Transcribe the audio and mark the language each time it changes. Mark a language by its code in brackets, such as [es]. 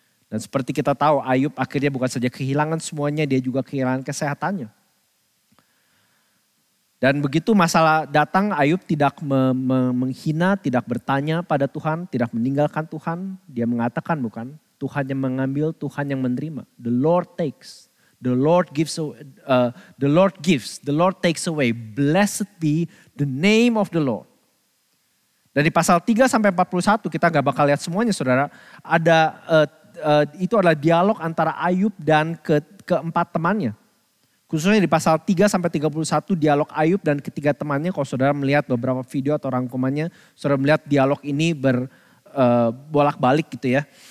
[id] Dan seperti kita tahu, Ayub akhirnya bukan saja kehilangan semuanya, dia juga kehilangan kesehatannya. Dan begitu masalah datang, Ayub tidak menghina, tidak bertanya pada Tuhan, tidak meninggalkan Tuhan. Dia mengatakan, bukan, Tuhan yang mengambil, Tuhan yang menerima. [en] The Lord takes, the Lord gives, the Lord gives, the Lord takes away. Blessed be the name of the Lord. [id] Dari pasal 3 sampai 41, kita gak bakal lihat semuanya saudara, ada itu adalah dialog antara Ayub dan keempat temannya. Khususnya di pasal 3 sampai 31 dialog Ayub dan ketiga temannya. Kalau saudara melihat beberapa video atau rangkumannya, saudara melihat dialog ini berbolak-balik gitu ya.